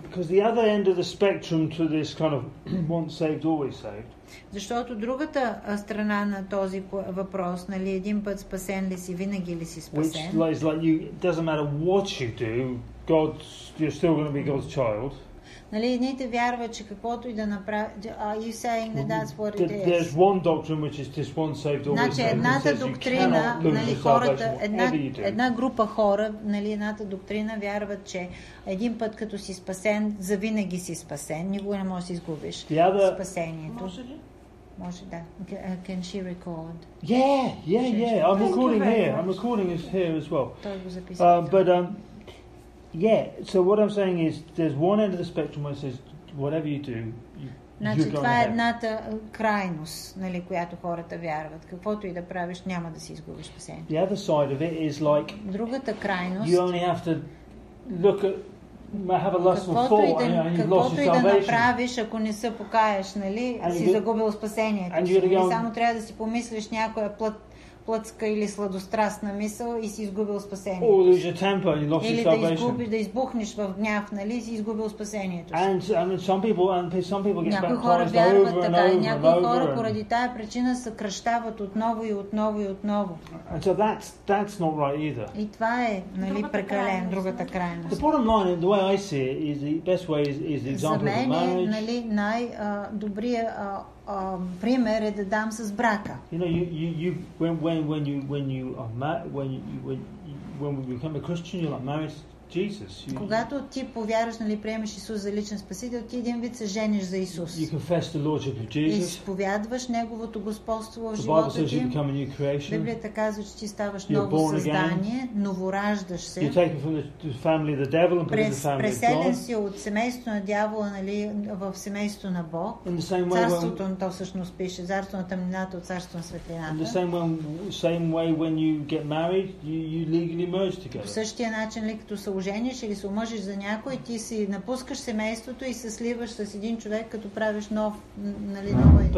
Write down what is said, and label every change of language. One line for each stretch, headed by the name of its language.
English: Because the other end of the spectrum to this kind of once saved always saved.
Bulgarian: Защото другата страна на този въпрос, нали, един път спасен ли си, винаги ли си спасен?
English: Which is like you, it doesn't matter what you do, you're still going to be God's child.
Bulgarian: Нали, едните вярват, че каквото и да направи...
English: Are you saying that that's what it is? There's one doctrine which is just one saved, always saved.
Bulgarian: Едната доктрина, нали, хората, една група хора, нали, едната доктрина вярват, че един път като си спасен, завинаги си спасен, никога не можеш да изгубиш спасението. Може
English: да. Can she record? Yeah. I'm recording here as well. Yeah, so what I'm saying is there's one end of the spectrum where it says whatever you do, you're going to heaven.
Bulgarian: Това е едната крайност, нали, която хората вярват. Каквото и да правиш, няма да си изгубиш спасението.
English: The other side of it is like
Bulgarian: другата крайност,
English: you only have to look at have a lustful thought and you've lost your salvation.
Bulgarian: Каквото и да направиш, ако не се покаеш, нали, си загубил спасението. Само трябва да си помислиш някоя плът плътска или сладострастна мисъл и си изгубил спасението.
English: Or lose your temper and you lost your salvation. Или да изгубиш, да избухнеш в гняв, нали, си изгубил спасението. And some people get baptized over and over.
Bulgarian: Някои хора вярват така, някои хора поради тая причина се кръщават отново и отново и отново.
English: And so that's not right either.
Bulgarian: И това е, нали, прекален, другата крайност.
English: The bottom line, the way I see it, is the best way is the example of marriage.
Bulgarian: За мен, нали, най-добрия пример е да дам с брака.
English: You know, when you become a Christian, you're like married to Jesus.
Bulgarian: Когато ти повярваш, нали, приемеш Исус за личен спасител, ти един вид се жениш за Исус.
English: You confess the Lordship of Jesus.
Bulgarian: Изповядваш неговото господство в живота ти.
English: You become a new creation.
Bulgarian: Библията казва, че ти ставаш ново създание, новораждаш се.
English: You take from the family of the devil and put in the family of God.
Bulgarian: Преселен си от семейството на дявола, нали, в семейството на Бог. Царството на то всъщност пише, царството на тъмнината от царството на светлината.
English: In the same way when you get married, you legally merge together.
Bulgarian: В същия начин, ли, като се ожениш или се омъжиш за някой, ти си напускаш семейството и се сливаш с един човек, като правиш нов, нали, нова единица.